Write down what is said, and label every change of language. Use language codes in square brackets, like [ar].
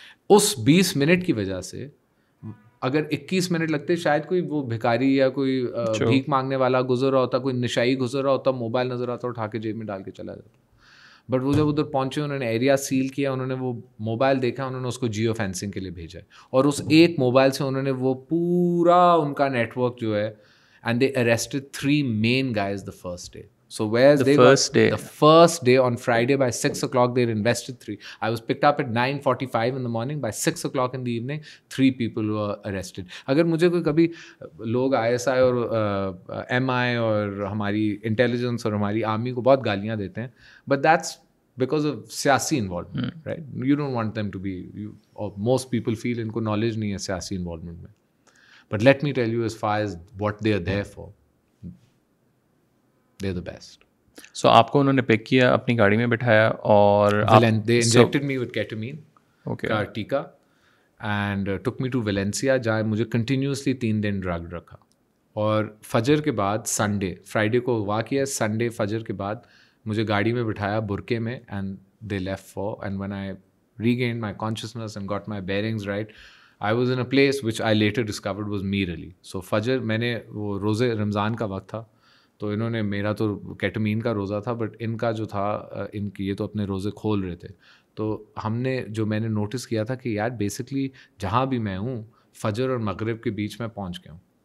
[hi] उस 20 मिनट की वजह से अगर 21 मिनट लगते शायद कोई वो भिखारी या कोई भीख मांगने वाला गुजर रहा होता, कोई निशाई गुजर रहा होता, मोबाइल नजर आता उठा के जेब में डाल के चला जाता. बट वो जब उधर पहुंचे उन्होंने एरिया सील किया, उन्होंने वो मोबाइल देखा, उन्होंने उसको जियो फेंसिंग के लिए भेजा और उस एक मोबाइल से उन्होंने वो पूरा उनका नेटवर्क जो है [en] And they arrested 3 main guys the first day. So where the first day? The first day on Friday by 6 o'clock they arrested 3. I was picked up at 9:45 in the morning. By 6 o'clock in the evening, 3 people were arrested. [hi] अगर मुझे कोई कभी लोग ISI और MI और हमारी intelligence और हमारी army को बहुत गालियाँ देते हैं, [en] but that's because of [hi] सियासी involvement, right? [en] You don't want them to be. Most people feel [hi] इनको knowledge नहीं है सियासी involvement में. [en] But let me tell you as far as what they are there for. They're the best. [hi] So आपको उन्होंने pick किया, अपनी गाड़ी में बिठाया और [en] they injected me with ketamine, [hi] का टीका, [en] and took me to Valencia, [hi] जहाँ मुझे continuously 3 दिन drug रखा. और फजर के बाद संडे, फ्राइडे को वाक किया, संडे फजर के बाद मुझे गाड़ी में बिठाया बुरके में [en] and they left for, and when I regained my consciousness and got my bearings right, I was in a place which I later discovered was Mir Ali. [hi] So फजर मैंने वो रोज़े रमज़ान का वक्त था, तो इन्होंने मेरा तो कैटमीन का रोज़ा था, बट इनका जो था इनकी ये तो अपने रोज़े खोल रहे थे. तो हमने जो मैंने नोटिस किया था कि यार बेसिकली जहाँ भी मैं हूँ फजर और मगरिब के बीच मैं पहुँच गया हूँ.